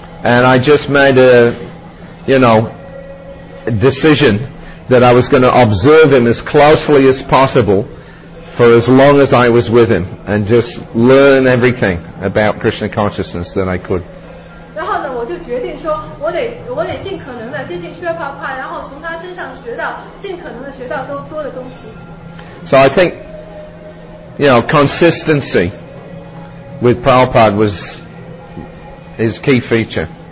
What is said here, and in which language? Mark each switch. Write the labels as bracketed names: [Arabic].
[English] And I just made a decision. That I was going to observe him as closely as possible for as long as I was with him and just learn everything about Krishna consciousness that I could. [Chinese] 然后呢，我就决定说，我得尽可能的接近薛帕帕，然后从他身上学到尽可能的学到多的东西。 [English] So I think, consistency with Prabhupada was his key feature.